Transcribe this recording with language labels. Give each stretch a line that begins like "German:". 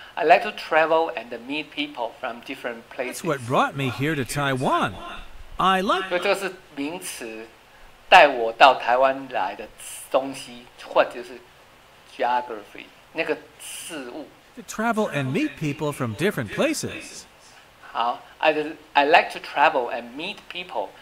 English: I like to travel and meet people from different places. That's what brought me here to Taiwan. I like.
Chinese: 所以这个是名词，带我到台湾来的东西，或者是。 Geography, 那个事物。
English: To travel and meet people from different places. 好 I like to travel and meet people.